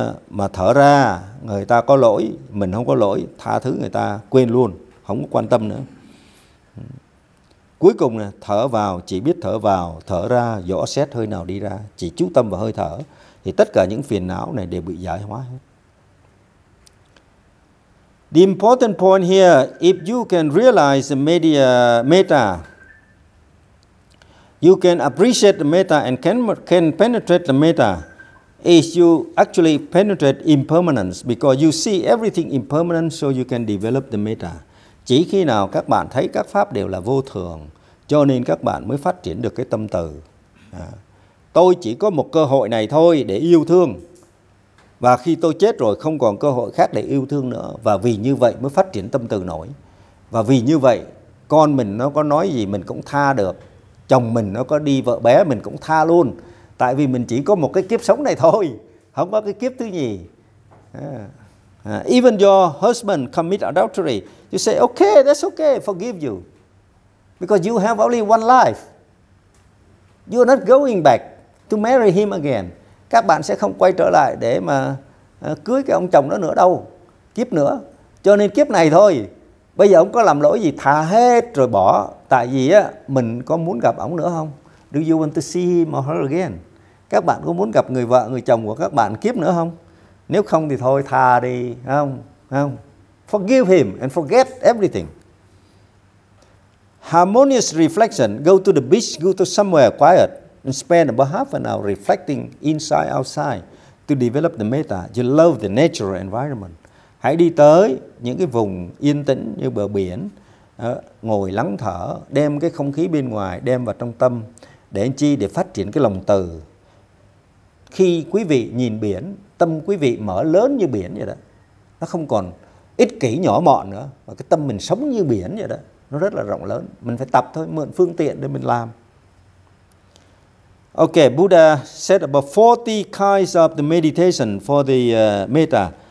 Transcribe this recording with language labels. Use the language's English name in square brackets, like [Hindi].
[Vietnamese] Mà thở ra người ta có lỗi, mình không có lỗi, tha thứ người ta, quên luôn, không có quan tâm nữa. Cuối cùng là thở vào, chỉ biết thở vào, thở ra, dò xét hơi nào đi ra, chỉ chú tâm vào hơi thở, thì tất cả những phiền não này đều bị giải hóa hết. [English] The important point here, if you can realize the metta, you can appreciate the metta and can penetrate the metta, is you actually penetrate impermanence, because you see everything impermanent, so you can develop the metta. [Vietnamese] Chỉ khi nào các bạn thấy các pháp đều là vô thường, cho nên các bạn mới phát triển được cái tâm từ. Tôi chỉ có một cơ hội này thôi để yêu thương. Và khi tôi chết rồi không còn cơ hội khác để yêu thương nữa. Và vì như vậy mới phát triển tâm từ nổi. Và vì như vậy con mình nó có nói gì mình cũng tha được. Chồng mình nó có đi vợ bé mình cũng tha luôn. Tại vì mình chỉ có một cái kiếp sống này thôi. Không có cái kiếp thứ nhì. [English] Even your husband commit adultery, you say, okay, that's okay, forgive you. Because you have only one life. You are not going back to marry him again. [Vietnamese] Các bạn sẽ không quay trở lại để mà cưới cái ông chồng đó nữa đâu, kiếp nữa. Cho nên kiếp này thôi, bây giờ ông có làm lỗi gì, thà hết rồi bỏ. Tại vì á, mình có muốn gặp ông nữa không? [English] Do you want to see him or her again? [Vietnamese] Các bạn có muốn gặp người vợ, người chồng của các bạn kiếp nữa không? Nếu không thì thôi, thà đi, không, không. [English] Forgive him and forget everything. Harmonious reflection, go to the beach, go to somewhere quiet, and spend about half an hour reflecting inside, outside, to develop the metta. You love the natural environment. [Vietnamese] Hãy đi tới những cái vùng yên tĩnh như bờ biển, ngồi lắng thở, đem cái không khí bên ngoài, đem vào trong tâm, để chi, để phát triển cái lòng từ. Khi quý vị nhìn biển, tâm quý vị mở lớn như biển vậy đó. Nó không còn ích kỷ nhỏ mọn nữa. Và cái tâm mình sống như biển vậy đó. Nó rất là rộng lớn. Mình phải tập thôi, mượn phương tiện để mình làm. [English] Ok, Buddha said about 40 kinds of the meditation for the metta.